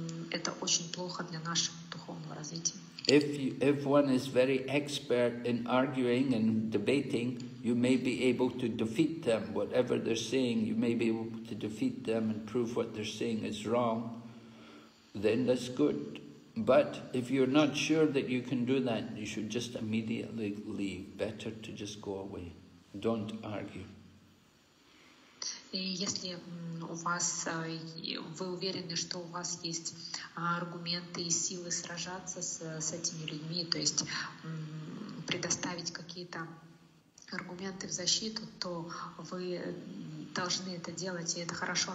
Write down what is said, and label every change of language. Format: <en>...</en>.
<ru>Это очень плохо для нашего духовного развития.</ru> <en>If one is very expert in arguing and debating, you may be able to defeat them, whatever they're saying, you may be able to defeat them and prove what they're saying is wrong, then that's good. But if you're not sure that you can do that, you should just immediately leave. Better to just go away. Don't argue.</en> <ru>И если у вас, вы уверены, что у вас есть аргументы и силы сражаться с этими людьми, то есть предоставить какие-то аргументы в защиту, то вы должны это делать, и это хорошо.</ru>